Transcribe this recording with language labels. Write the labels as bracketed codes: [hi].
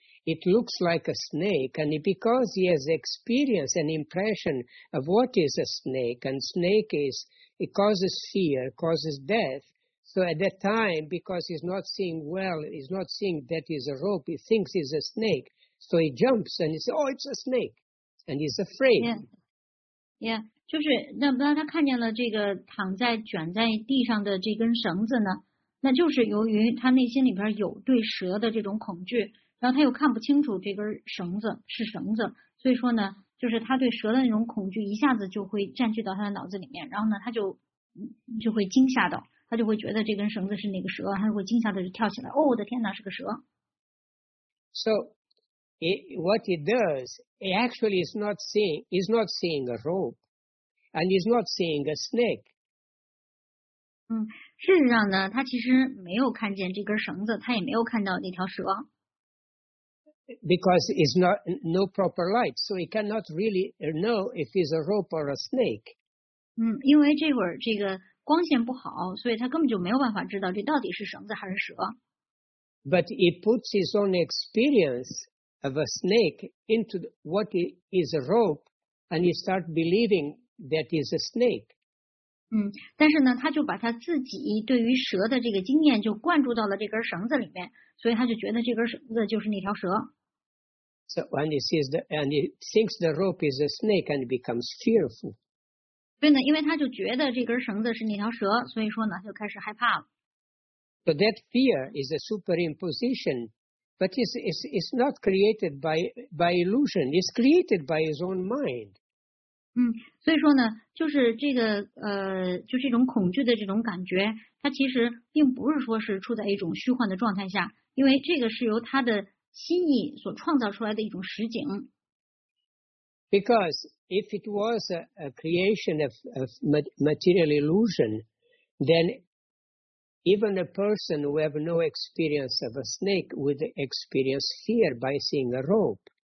[en] It looks like a snake, and because he has experience and impression of what is a snake, and snake is, it causes fear, causes death, So at that time, because he's not seeing well, he's not seeing that is a rope, he thinks it's a snake. So he jumps and he says, oh, it's a snake. And he's afraid. Yeah. Yeah. [zh] 就是那么他看见了这个躺在卷在地上的这根绳子呢，那就是由于他内心里边有对蛇的这种恐惧，然后他又看不清楚这根绳子是绳子，所以说呢，就是他对蛇的那种恐惧一下子就会占据到他的脑子里面，然后呢，他就会惊吓到，他就会觉得这根绳子是那个蛇，他就会惊吓的就跳起来，哦，我的天哪，是个蛇。 [en] So, what it does, it actually is not seeing a rope. And he's not seeing a snake. [zh] 事实上呢，他其实没有看见这根绳子，他也没有看到那条蛇。 [en] Because it's not no proper light, so he cannot really know if it's a rope or a snake. [zh] 因为这会儿这个光线不好，所以他根本就没有办法知道这到底是绳子还是蛇。 [en] But he puts his own experience of a snake into what is a rope, and he starts believing. That is a snake. [zh] 但是呢，他就把他自己对于蛇的这个经验就灌注到了这根绳子里面，所以他就觉得这根绳子就是那条蛇。 [en] So when he sees and he thinks the rope is a snake and becomes fearful. [zh] 对呢，因为他就觉得这根绳子是那条蛇，所以说呢，就开始害怕了。 [en] But that fear is a superimposition, but it's not created by illusion. It's created by his own mind. [zh] 所以说呢，就是这个就这种恐惧的这种感觉，它其实并不是说是处在一种虚幻的状态下，因为这个是由他的心意所创造出来的一种实景。 [en] Because if it was a creation of material illusion, then even a person who have no experience of a snake would experience fear by seeing a rope.